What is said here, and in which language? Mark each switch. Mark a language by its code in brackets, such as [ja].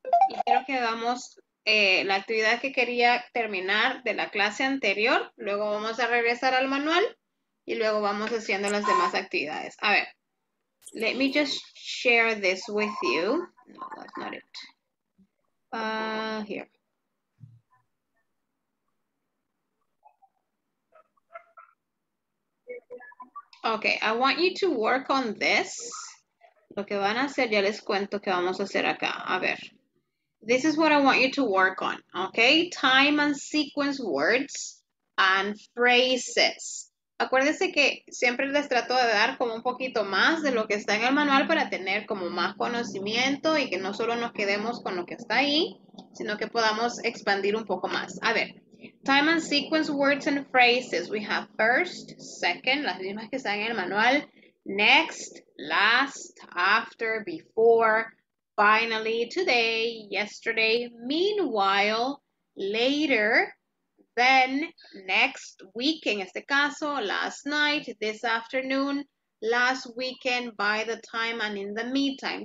[es] Y quiero que hagamos la actividad que quería terminar de la clase anterior. Luego vamos a regresar al manual y luego vamos haciendo las demás actividades. [en] A ver, let me just share this with you. No, that's not it. Here. Okay, I want you to work on this. [es] Lo que van a hacer, ya les cuento qué vamos a hacer acá. A ver. [en] This is what I want you to work on, okay? Time and sequence words and phrases. [es] Acuérdense que siempre les trato de dar como un poquito más de lo que está en el manual para tener como más conocimiento y que no solo nos quedemos con lo que está ahí, sino que podamos expandir un poco más. [en] A ver, time and sequence words and phrases. We have first, second, [es] las mismas que están en el manual. [en] Next, last, after, before, finally, today, yesterday, meanwhile, later, then, next week, [es] en este caso, [en] last night, this afternoon, last weekend, by the time, and in the meantime.